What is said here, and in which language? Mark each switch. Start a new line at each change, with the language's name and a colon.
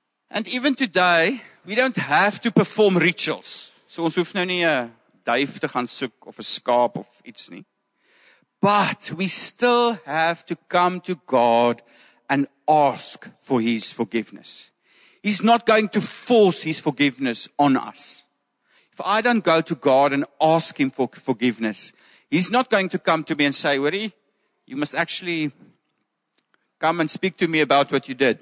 English: And even today, we don't have to perform rituals.
Afrikaans: So ons hoef nou nie 'n duif te gaan soek of 'n skaap of iets nie.
English: But we still have to come to God and ask for his forgiveness. He's not going to force his forgiveness on us. If I don't go to God and ask him for forgiveness, he's not going to come to me and say, Wari, you must actually come and speak to me about what you did.